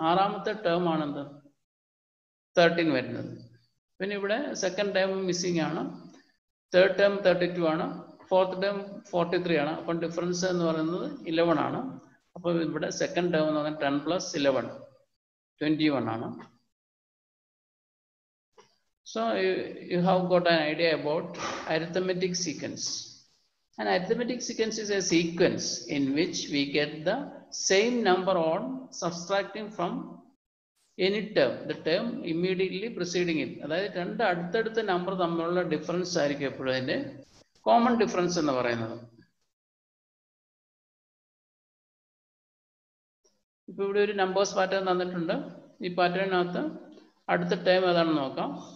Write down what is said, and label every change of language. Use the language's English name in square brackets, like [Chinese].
[Malayalam] ആറാമത്തെ ടേം ആണെന്ത് 13 വരുന്നത്. പിന്നെ ഇവിടെ സെക്കൻഡ് ടേം മിസ്സിംഗ് ആണ്, തേർഡ് ടേം 32 ആണ്, ഫോർത്ത് ടേം 43 ആണ്. അപ്പം ഡിഫറൻസ് എന്ന് പറയുന്നത് 11 ആണ്. അപ്പോൾ ഇവിടെ സെക്കൻഡ് ടേം എന്ന് പറഞ്ഞാൽ 10 പ്ലസ് 11, 21 ആണ്. [English] So you have got an idea about arithmetic sequence. An arithmetic sequence is a sequence in which we get the same number on subtracting from any term, the term immediately preceding it. [Malayalam] That is, രണ്ട് അടുത്തടുത്ത number തമ്മിലുള്ള difference ആയിരിക്കും എപ്പോഴും അതിൻ്റെ common difference എന്ന് പറയുന്നത്. ഇപ്പോൾ ഇവിടെ ഒരു നമ്പേഴ്സ് പാറ്റേൺ തന്നിട്ടുണ്ട്. ഈ പാറ്റേണിനകത്ത് അടുത്ത ടേം ഏതാണെന്ന് നോക്കാം.